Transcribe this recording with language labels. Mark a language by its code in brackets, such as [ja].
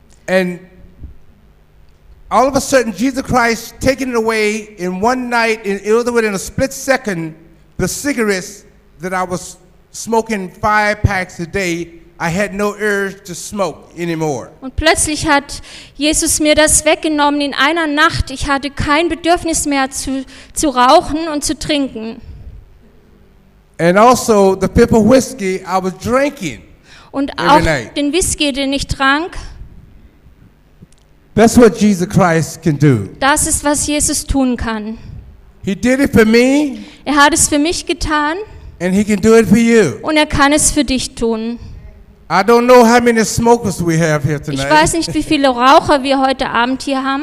[en] And all of a sudden, Jesus Christ taking it away in one night, in a split second, the cigarettes that I was smoking 5 packs a day, I had no urge to smoke anymore. [de] Und plötzlich hat Jesus mir das weggenommen in einer Nacht. Ich hatte kein Bedürfnis mehr zu rauchen und zu trinken. [en] And also the fifth of whiskey I was drinking [de] und [en] every night. [de] Und auch den Whisky, den ich trank. [en] That's what Jesus Christ can do. [de] Das ist, was Jesus tun kann. [en] He did it for me. [de] Er hat es für mich getan. [en] And he can do it for you. [de] Und er kann es für dich tun. [en] I don't know how many smokers we have here tonight. [de] Ich weiß nicht, wie viele Raucher wir heute Abend hier haben.